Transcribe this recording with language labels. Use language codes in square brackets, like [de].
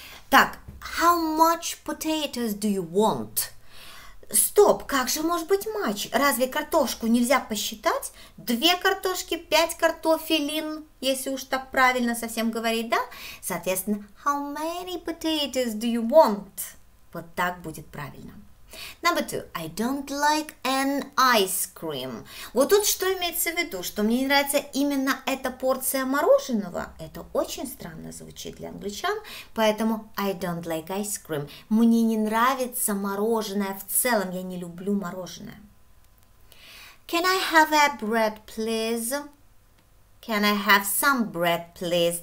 [en] Так, how much potatoes do you want? [ru] Стоп, как же может быть much? Разве картошку нельзя посчитать? Две картошки, пять картофелин, если уж так правильно совсем говорить, да? [en] Соответственно, how many potatoes do you want? [ru] Вот так будет правильно. [en] Number two, I don't like an ice cream. [ru] Вот тут что имеется в виду, что мне не нравится именно эта порция мороженого. Это очень странно звучит для англичан, поэтому [en] I don't like ice cream. [ru] Мне не нравится мороженое в целом, я не люблю мороженое. [en] Can I have a bread, please? Can I have some bread, please?